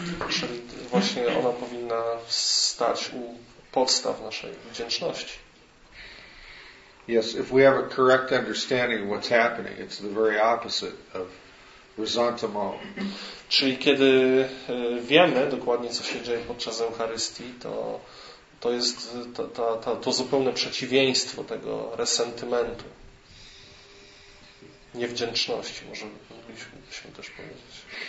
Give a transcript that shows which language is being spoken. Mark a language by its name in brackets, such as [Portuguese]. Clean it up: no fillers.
[Polish] Czyli właśnie ona powinna stać u podstaw naszej wdzięczności. [English] Yes, if we have a correct understanding of what's happening, it's the very opposite of resentment. [Polish] Czyli kiedy wiemy dokładnie, co się dzieje podczas Eucharystii, to jest to zupełne przeciwieństwo tego resentymentu. Niewdzięczności, może byśmy też powiedzieć.